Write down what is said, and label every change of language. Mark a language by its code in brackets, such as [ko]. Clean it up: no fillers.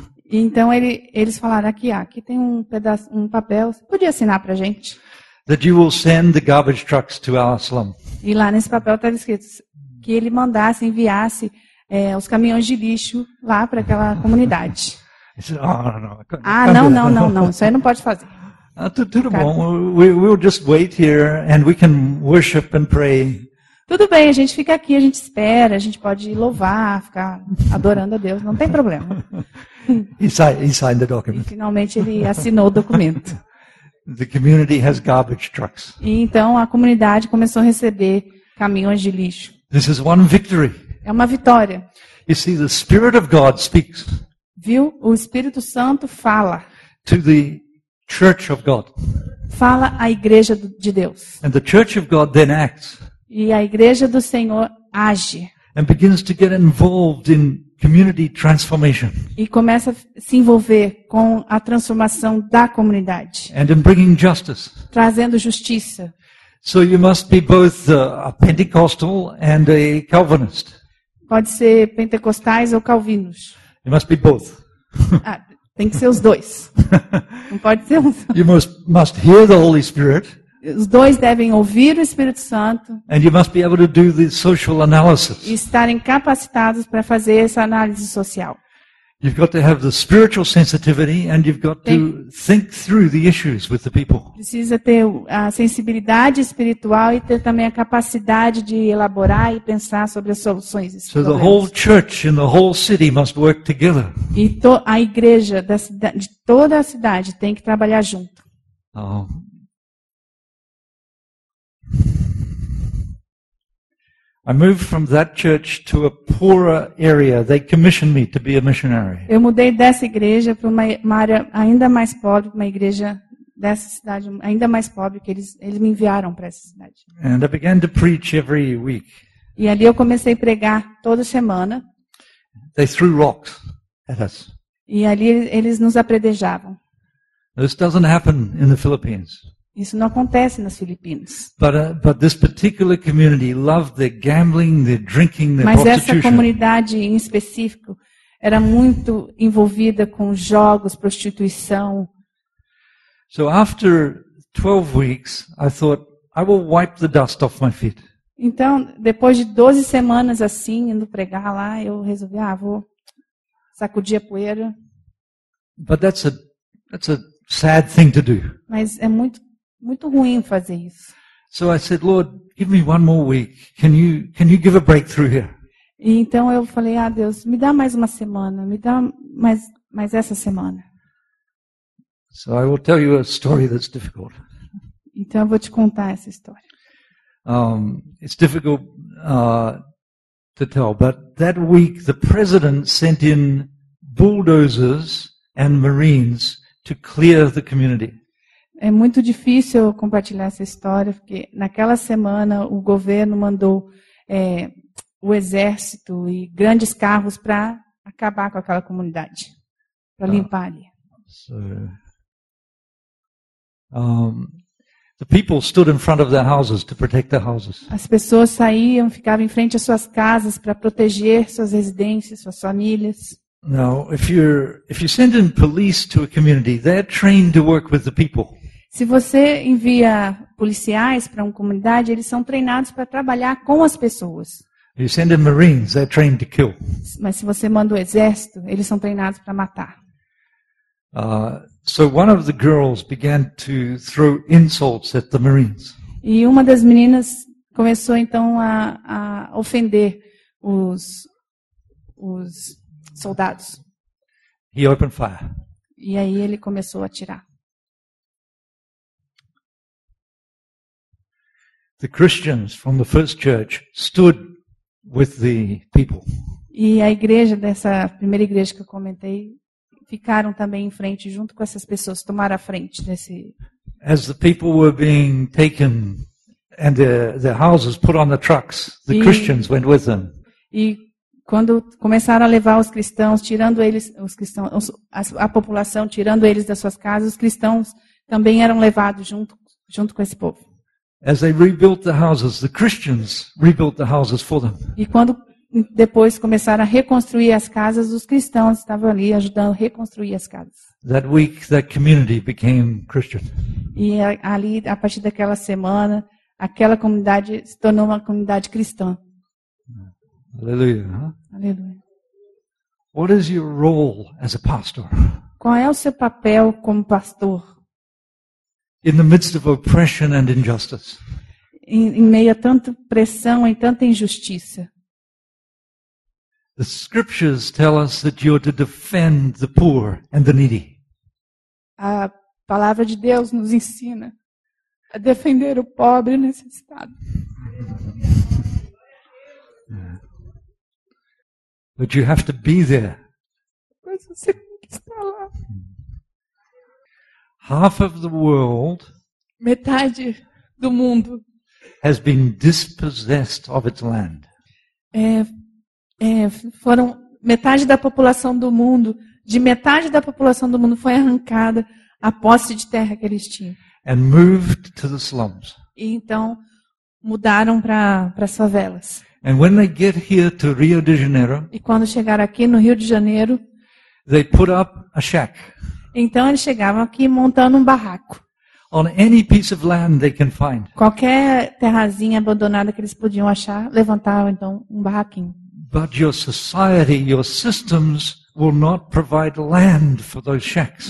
[pt] Então eles falaram, aqui tem um pedaço, um papel, você podia assinar para a gente? [en] That you will send the garbage trucks to our slum. [pt] E lá nesse papel estava escrito que ele mandasse, enviasse os caminhões de lixo lá para aquela comunidade. [en] He said, no. [pt] Ah, não, isso aí não pode fazer. Tudo bom, [en] we'll just wait here and we can worship and pray. [pt] Tudo bem, a gente fica aqui, a gente espera, a gente pode louvar, ficar adorando a Deus, não tem problema. [en] He signed the document. [pt] E finalmente ele assinou o documento. [en] The community has garbage trucks. [pt] E então a comunidade começou a receber caminhões de lixo. [en] This is one victory. [pt] É uma vitória. [en] You see, the Spirit of God speaks. [pt] Viu? O Espírito Santo fala. [en] To the Church of God. [pt] Fala à Igreja de Deus. [en] And the Church of God then acts. [pt] E a Igreja do Senhor age. [en] And begins to get involved in community transformation. [pt] E começa a se envolver com a transformação da comunidade. [en] And in bringing justice. [pt] Trazendo justiça. [en] So you must be both a Pentecostal and a Calvinist. [pt] Pode ser pentecostais ou calvinos. [en] You must be both. [pt] Tem que ser os dois. Não pode ser um só. [en] You must hear the Holy Spirit. [pt] Os dois devem ouvir o Espírito Santo. [en] And you must be able to do the social analysis. [pt] E estarem capacitados para fazer essa análise social. [en] You've got to have the spiritual sensitivity and you've got to think through the issues with the people. [pt] Precisa ter a sensibilidade espiritual e ter também a capacidade de elaborar e pensar sobre as soluções. [en] So the whole church in the whole city must work together. [pt] E a igreja de toda a cidade tem que trabalhar junto. [en] I moved from that church to a poorer area. They commissioned me to be a missionary. [pt] Eu mudei dessa igreja para uma área ainda mais pobre, uma igreja dessa cidade ainda mais pobre, que eles me enviaram para essa cidade. [en] And I began to preach every week. [pt] E ali eu comecei a pregar toda semana. [en] They threw rocks at us. [pt] E ali eles nos apedrejavam. [en] This doesn't happen in the Philippines. [pt] Isso não acontece nas Filipinas. [en] But this particular community loved their gambling, their drinking, their prostitution. [pt] Mas essa comunidade em específico era muito envolvida com jogos, prostituição. [en] So after 12 weeks, I thought I will wipe the dust off my feet. [pt] Então, depois de 12 semanas assim indo pregar lá, eu resolvi, vou sacudir a poeira. [en] But that's a sad thing to do. [pt] Mas é muito ruim fazer isso. [en] So I said, Lord, give me one more week. Can you give a breakthrough here? [pt] E então eu falei, Deus, me dá mais uma semana, me dá mais essa semana. [en] So I will tell you a story that's difficult. [pt] Então eu vou te contar essa história. [en] It's difficult to tell, but that week the president sent in bulldozers and marines to clear the community. [pt] É muito difícil compartilhar essa história, porque naquela semana o governo mandou o exército e grandes carros para acabar com aquela comunidade, para limpar ali. [en] The people stood in front of their houses to protect their houses. [pt] As pessoas saíam, ficavam em frente às suas casas para proteger suas residências, suas famílias. [en] Now, if you send in police to a community, they're trained to work with the people. [pt] Se você envia policiais para uma comunidade, eles são treinados para trabalhar com as pessoas. [en] You send in marines, they're trained to kill. [pt] Mas se você manda o exército, eles são treinados para matar. [en] So one of the girls began to throw insults at the marines. [pt] E uma das meninas começou então a ofender os soldados. [en] He opened fire. [pt] E aí ele começou a atirar. [en] The Christians from the first church stood with the people. [pt] E a igreja dessa primeira igreja que eu comentei ficaram também em frente junto com essas pessoas, tomaram a frente desse. [en] As the people were being taken and their houses put on the trucks, the Christians went with them. [pt] E quando começaram a levar os cristãos, tirando eles, os cristãos, a população tirando eles das suas casas, os cristãos também eram levados junto com esse povo. [en] As they rebuilt the houses, the Christians rebuilt the houses for them. [pt] E quando depois começaram a reconstruir as casas, os cristãos estavam ali ajudando a reconstruir as casas. [en] That week, that community became Christian. [pt] E ali, a partir daquela semana, aquela comunidade se tornou uma comunidade cristã. Aleluia. Aleluia. [en] What is your role as a pastor? [pt] Qual é o seu papel como pastor? [en] In the midst of oppression and injustice. [pt] Em meio a tanta pressão e tanta injustiça. [en] The scriptures tell us that you are to defend the poor and the needy. [pt] A palavra de Deus nos ensina a defender o pobre e o necessitado. [en] But you have to be there. [pt] Mas você tem que estar lá. [en] Half of the world, [pt] metade do mundo, [en] has been dispossessed of its land. [pt] Foram metade da população do mundo, de metade da população do mundo foi arrancada a posse de terra que eles tinham. [en] And moved to the slums. [pt] E então mudaram para as favelas. [en] And when they get here to Rio de Janeiro, [pt] e quando chegaram aqui no Rio de Janeiro, [en] they put up a shack. [pt] Então eles chegavam aqui montando um barraco. [en] On any piece of land they can find. [pt] Qualquer terrazinha abandonada que eles podiam achar, levantavam então um barraquinho. [en] But your society, your systems will not provide land for those shacks.